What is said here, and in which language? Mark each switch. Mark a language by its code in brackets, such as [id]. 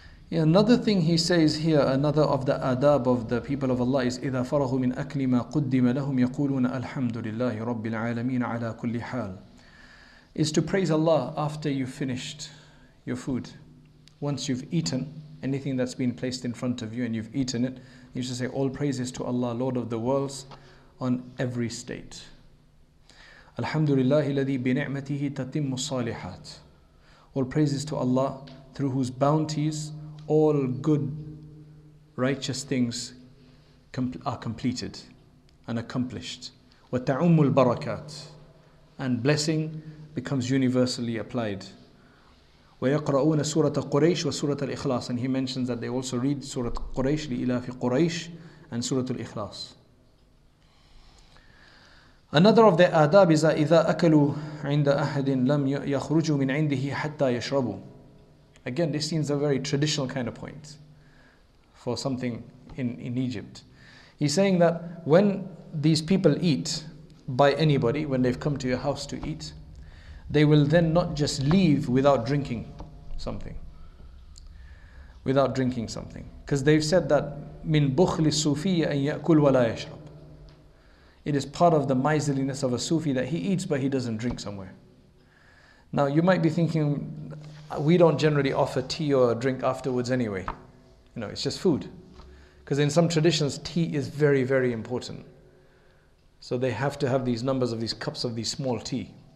[en] Yeah, another thing he says here, another of the adab of the people of Allah is [ar] إِذَا فَرَغُوا مِنْ أَكْلِ مَا قُدِّمَ لَهُمْ يَقُولُونَ الْحَمْدُ لِلَّهِ رَبِّ الْعَالَمِينَ عَلَىٰ كُلِّ حَالٍ. [en] Is to praise Allah after you've finished your food. Once you've eaten anything that's been placed in front of you and you've eaten it, you should say all praises to Allah, Lord of the worlds, on every state. [ar] Alhamdulillah, الَّذِي بِنِعْمَتِهِ تَتِمُّ الصَّالِحَاتِ. [en] All praises to Allah, through whose bounties all good righteous things are completed and accomplished. [ar] وَتَعُمُّ الْبَرَكَاتِ. [en] And blessing becomes universally applied. [ar] وَيَقْرَؤُونَ سُورَةَ قُرَيْشِ وَسُورَةَ الْإِخْلَاصِ. [en] And he mentions that they also read Surah Quraysh, [ar] لِإِلَافِ قُرَيْشِ, [en] and Surah Al-Ikhlas. Another of the adab is that [ar] إِذَا أَكَلُوا عِنْدَ أَحَدٍ لَمْ يَخْرُجُوا مِنْ عِنْدِهِ حَتَّى يَشْرَبُوا. [en] Again, this seems a very traditional kind of point for something in Egypt. He's saying that when these people eat by anybody, when they've come to your house to eat, they will then not just leave without drinking something. Without drinking something. Because they've said that [ar] مِنْ بُخْلِ السُّوفِيَّ أَنْ يَأْكُلْ وَلَا يَشْرَبُ. [en] It is part of the miserliness of a Sufi that he eats but he doesn't drink somewhere. Now you might be thinking, we don't generally offer tea or a drink afterwards anyway. You know, it's just food. Because in some traditions, tea is very, very important. So they have to have these numbers of these cups of these small tea.